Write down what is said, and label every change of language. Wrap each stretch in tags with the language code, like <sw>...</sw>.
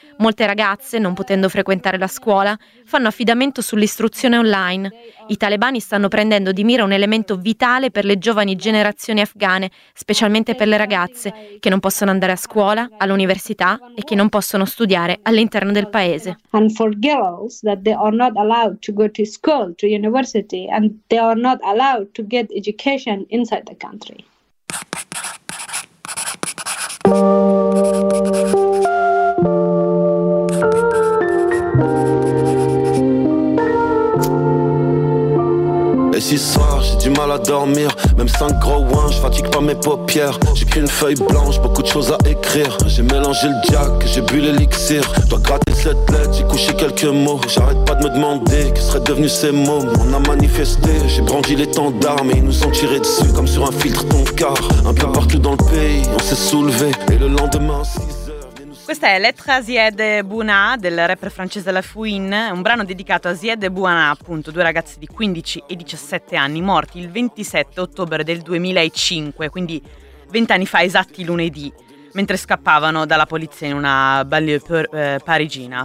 <it>Molte ragazze, non potendo frequentare la scuola, fanno affidamento sull'istruzione online. I talebani stanno prendendo di mira un elemento vitale per le giovani generazioni afghane, specialmente per le ragazze, che non possono andare a scuola, all'università e che non possono studiare all'interno del paese.</it> <en>And for girls that they are not allowed to go to school, to university, and they are not allowed to get education inside the country.</en> <fr>Et si ce soir j'ai du mal à dormir, même 5 gros wins, je fatigue pas mes paupières. J'ai qu'une feuille blanche, beaucoup de choses à écrire. J'ai mélangé le jack, j'ai bu l'élixir. Dois gratter cette lettre, j'ai couché quelques mots. J'arrête pas de me demander que seraient devenus ces mômes. On a manifesté, j'ai brandi l'étendard, mais ils nous ont tiré dessus comme sur un filtre ton car. Un peu partout dans le pays, on s'est soulevé. Et le lendemain, si.</fr> <it>Questa è Lettre à Zied et Bouna del rapper francese La Fouine, un brano dedicato a Zied et Bouna, appunto, due ragazzi di 15 e 17 anni morti il 27 ottobre del 2005, quindi 20 anni fa esatti lunedì. mentre scappavano dalla polizia in una banlieue parigina.</it>